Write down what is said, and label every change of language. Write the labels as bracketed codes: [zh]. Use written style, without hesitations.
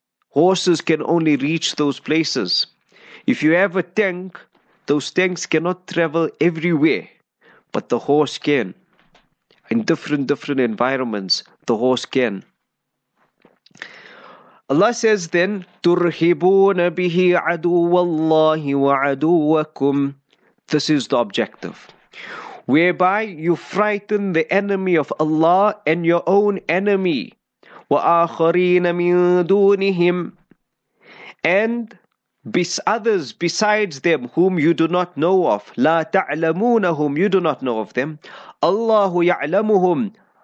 [en] Horses can only reach those places. If you have a tank, those tanks cannot travel everywhere, but the horse can. In different environments, the horse can. Allah says then, [ar] تُرْهِبُونَ بِهِ عَدُوَ اللَّهِ وَعَدُوَكُمْ. [en] This is the objective. Whereby you frighten the enemy of Allah and your own enemy. [ar] وَآخَرِينَ مِن دُونِهِمْ. [en] And others besides them whom you do not know of. [ar] لَا تَعْلَمُونَهُمْ. [en] You do not know of them. [ar] اللَّهُ يَعْلَمُهُمْ.